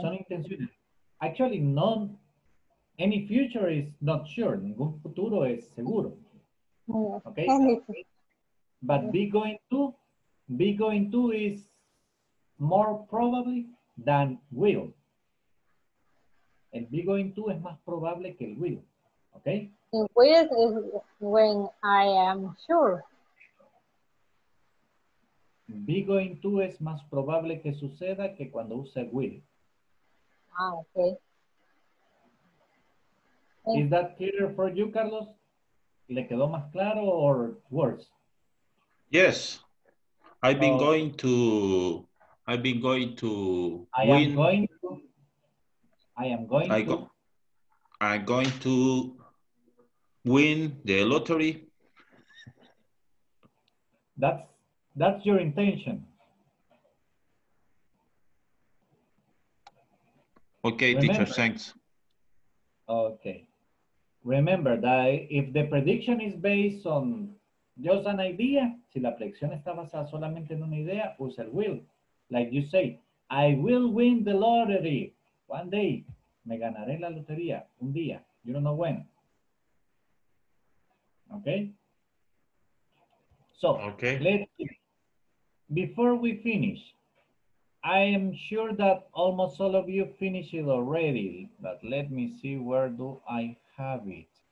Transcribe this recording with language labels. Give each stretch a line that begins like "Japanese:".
Spanish: Son intenciones.
English: Actually, none, any future is not sure.
Spanish: Ningún futuro es seguro. Okay?
English: But be going to is more probably than will.
Spanish: El be going to es más probable que el will.
English: Okay? And will is when I am sure.
Spanish: Be going to es más probable que suceda que cuando use will.
English: Ah, okay. Is that clear for you, Carlos?
Spanish: ¿Le quedó más claro
English: or worse? Yes. I've been going to I'm going to win the lottery. That's your intention. Okay, remember, teacher, thanks. Okay. Remember that if the prediction is based on just an idea.
Spanish: Si la predicción está basada solamente en una idea, use el will.
English: Like you say, I will win the lottery. One day,
Spanish: me ganaré la lotería. Un día.
English: You don't know when. Okay? So, okay. Before we finish, I am sure that almost all of you finished it already, but let me see where do I have it.